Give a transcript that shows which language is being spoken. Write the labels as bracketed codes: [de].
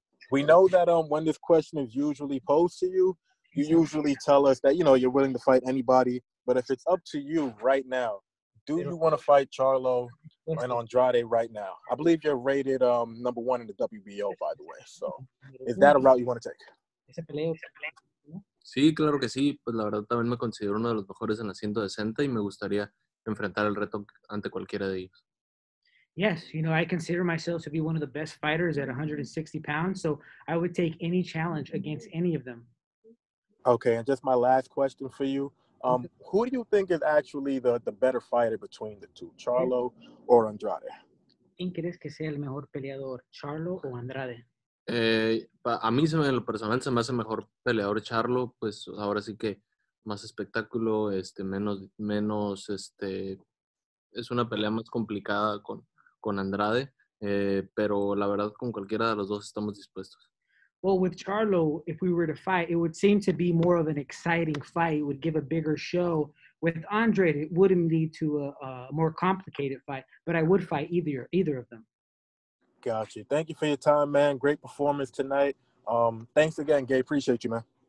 [en] We know that when this question is usually posed to you, you usually tell us that, you know, you're willing to fight anybody. But if it's up to you right now, do you want to fight Charlo and Andrade right now? I believe you're rated number one in the WBO, by the way. So is that a route you want to take? [es] Sí, claro que sí. Pues la verdad también me considero uno de los mejores en la 160 y me gustaría enfrentar el reto ante cualquiera de ellos. [en] Yes, you know, I consider myself to be one of the best fighters at 160 pounds. So I would take any challenge against any of them. Okay, and just my last question for you. Who do you think is actually the better fighter between the two, Charlo or Andrade? [es] ¿Quién crees que sea el mejor peleador, Charlo o Andrade? A mí, en lo personal, se me hace mejor peleador Charlo. Pues ahora sí que más espectáculo, menos, es una pelea más complicada con Andrade. Pero la verdad, con cualquiera de los dos estamos dispuestos. [en] Well, with Charlo, if we were to fight, it would seem to be more of an exciting fight. It would give a bigger show. With Andre, it wouldn't lead to a more complicated fight, but I would fight either of them. Gotcha. Thank you for your time, man. Great performance tonight. Thanks again, Gay. Appreciate you, man.